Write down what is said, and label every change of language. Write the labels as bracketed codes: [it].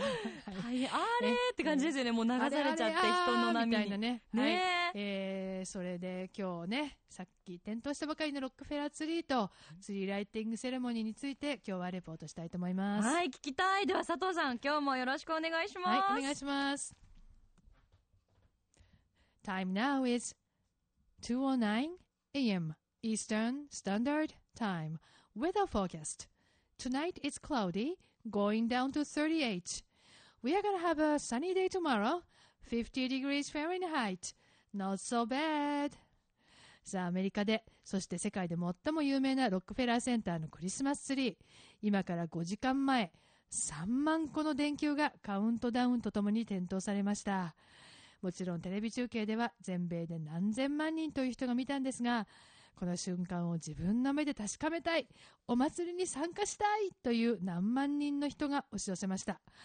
[ja] はい、あれって感じですよね、もう流されちゃって、人の波みたいなね。ね、はい、それで今日ね、さっき点灯したばかりのロックフェラーツリーとツリーライティングセレモニーについて今日はレポートしたいと思います。はい、聞きたい。では佐藤さん、今日もよろしくお願いします。はい、お願いします。 [en] Time now is 2:09 AM Eastern Standard Time. Weather forecast: Tonight is cloudyGoing down to 38. We are going to have a sunny day tomorrow. 50 degrees Fahrenheit. Not so bad. [ja] さあ、アメリカで、そして世界で最も有名なロックフェラーセンターのクリスマスツリー。今から5時間前、3万個の電球がカウントダウンとともに点灯されました。もちろんテレビ中継では全米で何千万人という人が見たんですが、この瞬間を自分の目で確かめたい、お祭りに参加したいという何万人の人が押し寄せました。